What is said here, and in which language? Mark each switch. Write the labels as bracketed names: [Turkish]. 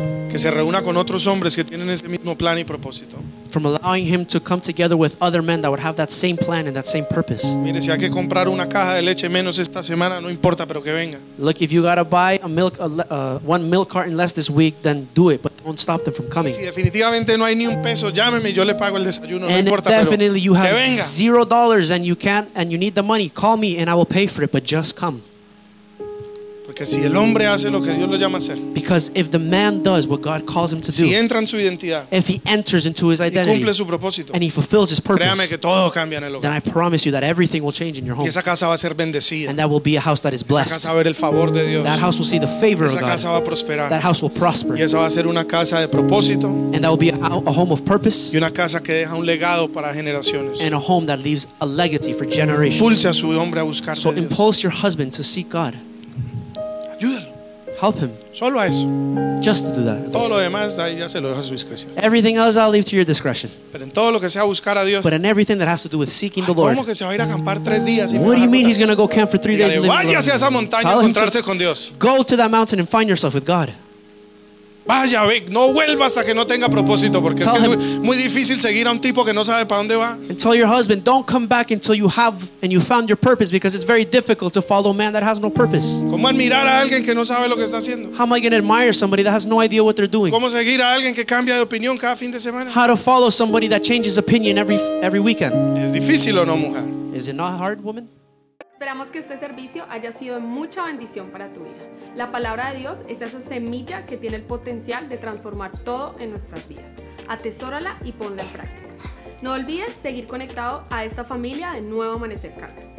[Spanish] Que se reúna con otros hombres que tienen ese mismo plan y propósito. [English] From allowing him to come together with other men that would have that same plan and that same purpose. [Spanish] Mire, si hay que comprar una caja de leche menos esta semana, no importa, pero que venga. [English] Look, if you gotta buy one milk carton less this week, then do it, but don't stop them from coming. [Spanish] Y si definitivamente no hay ni un peso, llámeme, yo le pago el desayuno, [English] and [Spanish] no importa, [English] definitely [Spanish] pero [English] you have [Spanish] que venga. [English] $0 and you need the money, call me and I will pay for it, but just come. [Spanish] Porque si el hombre hace lo que Dios lo llama a hacer. [English] Because if the man does what God calls him to do. [Spanish] Si entra en su identidad. [English] If he enters into his identity. [Spanish] Y cumple su propósito. [English] And he fulfills his purpose. [Spanish] Créame que todo cambia en el hogar. [English] Then I promise you that everything will change in your home. [Spanish] Y esa casa va a ser bendecida. [English] And that will be a house that is blessed. [Spanish] Esa casa va a ver el favor de Dios. [English] That house will see the favor of God. [Spanish] Esa casa va a prosperar. [English] That house will prosper. [Spanish] Y esa va a ser una casa de propósito. [English] And that will be a home of purpose. [Spanish] Y una casa que deja un legado para generaciones. [English] And a home that leaves a legacy for generations. [Spanish] Impulse a su hombre a buscar a Dios. [English] So impulse your husband to seek God. Help him. [Spanish] Solo a eso. [English] Just to do that. [Spanish] Todo lo demás, ahí ya se lo dejo a su discreción. [English] Everything else I'll leave to your discretion. [Spanish] Pero en todo lo que sea buscar a Dios. [English] But in everything that has to do with seeking ay, the Lord. [Spanish] ¿Cómo que se va a ir a acampar tres días? [English] What do you mean he's going to go camp for three days? [Spanish] Váyase a esa montaña a encontrarse con Dios. [English] Go to that mountain and find yourself with God. [Spanish] Vaya, ve, no vuelva hasta que no tenga propósito, porque [English] tell [Spanish] es que es muy difícil seguir a un tipo que no sabe para dónde va. [English] And tell your husband, don't come back until you have and you found your purpose, because it's very difficult to follow a man that has no purpose. [Spanish] ¿Cómo admirar a alguien que no sabe lo que está haciendo? [English] How am I going to admire somebody that has no idea what they're doing? [Spanish] ¿Cómo seguir a alguien que cambia de opinión cada fin de semana? [English] How to follow somebody that changes opinion every weekend? [Spanish] ¿Es difícil o no, mujer? [English] Is it not hard, woman? [Spanish] Esperamos que este servicio haya sido de mucha bendición para tu vida. La palabra de Dios es esa semilla que tiene el potencial de transformar todo en nuestras vidas. Atesórala y ponla en práctica. No olvides seguir conectado a esta familia de Nuevo Amanecer Cali.